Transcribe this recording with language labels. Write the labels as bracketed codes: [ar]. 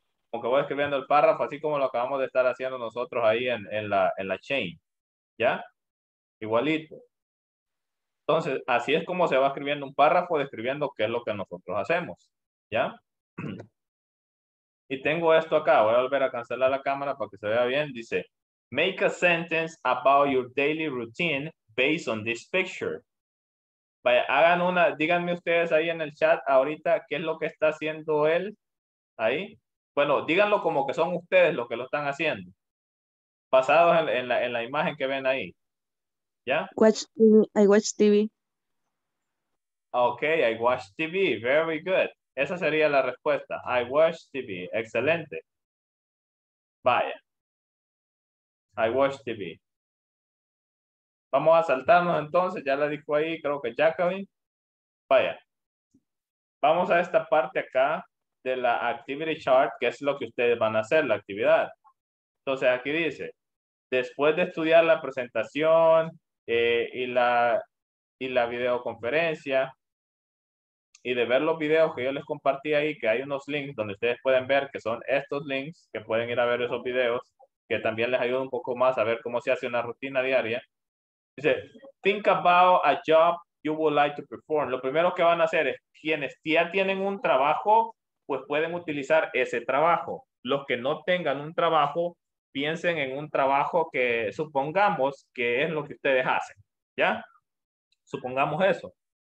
[es] Como que voy escribiendo el párrafo, así como lo acabamos de estar haciendo nosotros ahí en la chain, ¿ya? Igualito. Entonces, así es como se va escribiendo un párrafo, describiendo qué es lo que nosotros hacemos, ¿ya? Y tengo esto acá, voy a volver a cancelar la cámara para que se vea bien. [en] Dice, make a sentence about your daily routine based on this picture. [es] Vaya, hagan una, díganme ustedes ahí en el chat ahorita qué es lo que está haciendo él ahí. Bueno, díganlo como que son ustedes los que lo están haciendo. Basados en la imagen que ven ahí. ¿Ya? [en] I watch TV. Ok, I watch TV. Very good. [es] Esa sería la respuesta. [en] I watch TV. [es] Excelente. Vaya. [en] I watch TV. [es] Vamos a saltarnos entonces, ya la dijo ahí, creo que Jacqueline. Vaya. Vamos a esta parte acá de la [en] activity chart, [es] que es lo que ustedes van a hacer, la actividad. Entonces aquí dice, después de estudiar la presentación y la videoconferencia y de ver los videos que yo les compartí ahí, que hay unos links donde ustedes pueden ver que son estos links, que pueden ir a ver esos videos, que también les ayuda un poco más a ver cómo se hace una rutina diaria. [en] Dice, think about a job you would like to perform. [es] Lo primero que van a hacer es, quienes ya tienen un trabajo, pues pueden utilizar ese trabajo. Los que no tengan un trabajo, piensen en un trabajo que supongamos que es lo que ustedes hacen. ¿Ya? Supongamos eso.